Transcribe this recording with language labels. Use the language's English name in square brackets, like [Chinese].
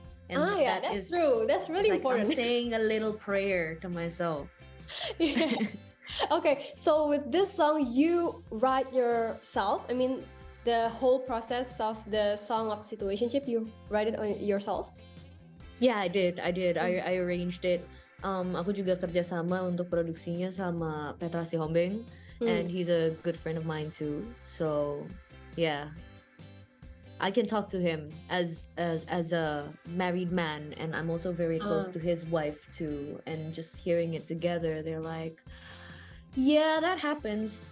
[English] And that's true. That's really like important. I'm saying a little prayer to myself. Yeah. Okay, so with this song, you write yourself. I mean, the whole process of the song of Situationship, you write it on yourself? Yeah, I did. I arranged it. [Indonesian] Aku juga kerja sama untuk produksinya sama Petra Sihombing. [English] And he's a good friend of mine too. So, yeah. I can talk to him as a married man, and I'm also very close to his wife too. And just hearing it together, they're like, yeah, that happens.